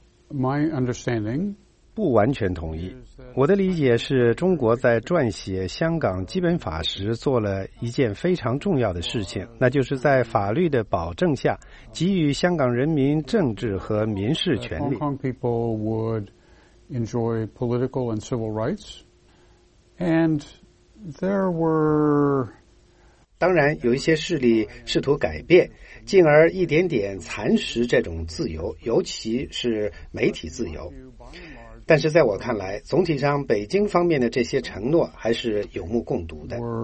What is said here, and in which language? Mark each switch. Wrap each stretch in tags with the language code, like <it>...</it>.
<en>My understanding...</en> <zh>不完全同意。我的理解是中国在撰写香港基本法时做了一件非常重要的事情，那就是在法律的保证下给予香港人民政治和民事权利。</zh> <en>Hong Kong people would enjoy political and civil rights, and there were</en> <zh>当然有一些势力试图改变，进而一点点蚕食这种自由，尤其是媒体自由。但是在我看来，总体上北京方面的这些承诺还是有目共睹的。</zh>